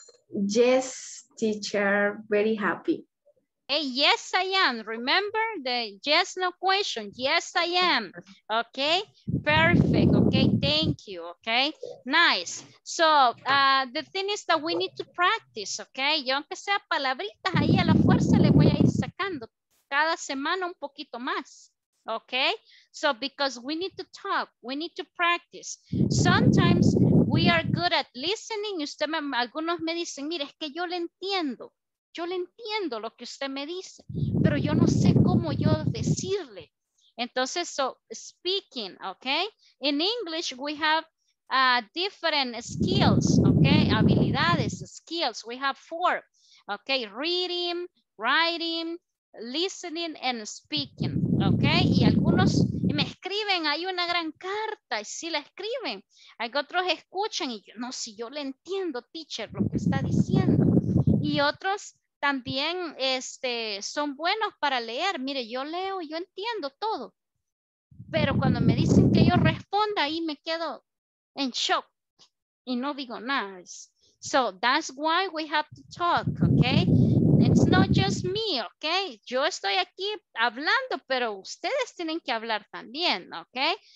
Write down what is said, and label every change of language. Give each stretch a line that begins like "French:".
English: Yes, teacher, very happy. Hey, yes, I am. Remember the yes, no question. Yes, I am. Okay, perfect. Okay, thank you. Okay, nice. So the thing is that we need to practice, okay?
Spanish: Yo aunque sea palabritas ahí a la fuerza le voy a ir sacando cada semana un poquito más.
English: Okay, so because we need to talk, we need to practice. Sometimes we are good at listening.
Spanish: Usted me, algunos me dicen, mire, es que yo le entiendo. Yo le entiendo lo que usted me dice, pero yo no sé cómo yo decirle.
English: Entonces, so speaking, okay? In English, we have different skills, okay?
Spanish: Habilidades, skills.
English: We have four, okay? Reading, writing, listening, and speaking,
Spanish: Ok, y algunos me escriben, hay una gran carta, y sí la escriben. Hay que otros escuchan y yo, no, si yo le entiendo, teacher, lo que está diciendo. Y otros también son buenos para leer. Mire, yo leo, yo entiendo todo. Pero cuando me dicen que yo responda, ahí me quedo en shock. Y no digo nada.
English: So that's why we have to talk, okay? It's not just me, okay?
Spanish: Yo estoy aquí hablando, pero ustedes tienen que hablar también, okay?